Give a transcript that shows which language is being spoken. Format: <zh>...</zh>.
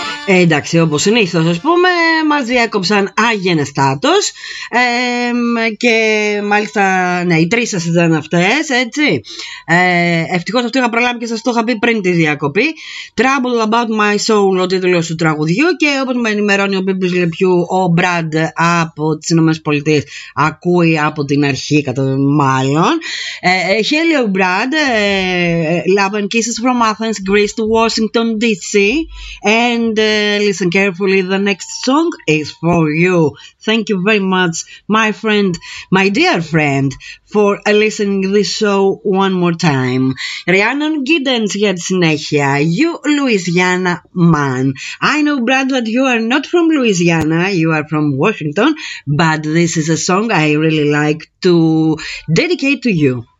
<el>Εντάξει, όπως συνήθως ας πούμε, μας διέκοψαν αγενεστάτως και μάλιστα, ναι, οι τρεις σας ήταν αυτές, έτσι. Ευτυχώς αυτό είχα προλάβει και σας το είχα πει πριν τη διακοπή. Trouble About My Soul, ο τίτλος του τραγουδιού, και όπως με ενημερώνει ο Πίπης Λεπιού, ο Μπραντ από τις ΗΠΑ ακούει από την αρχή, κατά μάλλον.</el> <en>Hello Brad, love and kisses from Athens, Greece to Washington DC, and listen carefully, the next song is for you. Thank you very much, my friend, my dear friend, for listening this show one more time.</en> <el>Rhiannon Giddens για τη συνέχεια.</el> <en>You Louisiana man. I know, Brad, that you are not from Louisiana. You are from Washington. But this is a song I really like to dedicate to you.</en>